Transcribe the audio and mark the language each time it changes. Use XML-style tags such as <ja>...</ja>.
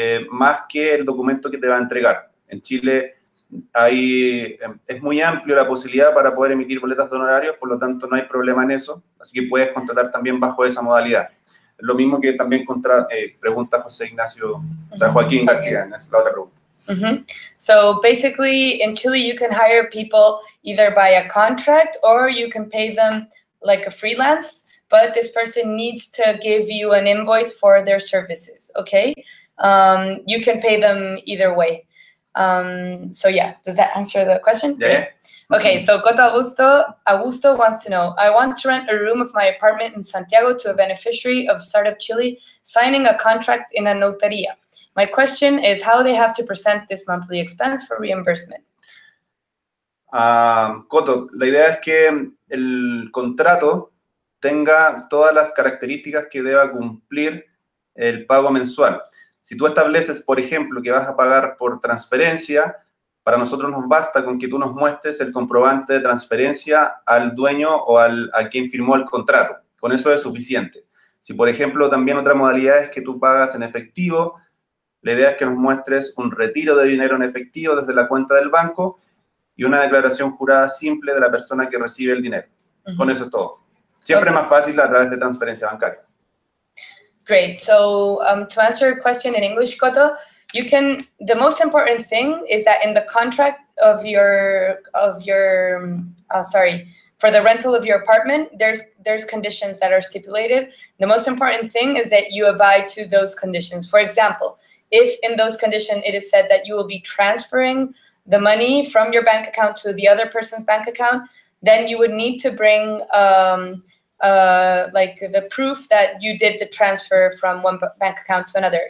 <es>Más que el documento que te va a entregar. En Chile hay, es muy amplio la posibilidad para poder emitir boletas de honorarios, por lo tanto no hay problema en eso, así que puedes contratar también bajo esa modalidad. Lo mismo que también contra, pregunta José Ignacio, o sea, Joaquín García, es la otra pregunta.</es> <en>So basically in Chile you can hire people either by a contract or you can pay them like a freelance, but this person needs to give you an invoice for their services, okay? You can pay them either way. So yeah, does that answer the question? Yeah. Okay, so Cota Augusto, Augusto wants to know, I want to rent a room of my apartment in Santiago to a beneficiary of Startup Chile signing a contract in a notaría. My question is how they have to present this monthly expense for reimbursement.</en> <es>Coto, la idea es que el contrato tenga todas las características que deba cumplir el pago mensual. Si tú estableces, por ejemplo, que vas a pagar por transferencia, para nosotros nos basta con que tú nos muestres el comprobante de transferencia al dueño o al, a quien firmó el contrato. Con eso es suficiente. Si, por ejemplo, también otra modalidad es que tú pagas en efectivo, la idea es que nos muestres un retiro de dinero en efectivo desde la cuenta del banco y una declaración jurada simple de la persona que recibe el dinero. Con eso es todo. Siempre es más fácil a través de transferencia bancaria.</es> <en>Great. So to answer your question in English, Coto, you can. The most important thing is that in the contract of your for the rental of your apartment, there's conditions that are stipulated. The most important thing is that you abide to those conditions. For example, if in those conditions it is said that you will be transferring the money from your bank account to the other person's bank account, then you would need to bring like the proof that you did the transfer from one bank account to another.</en>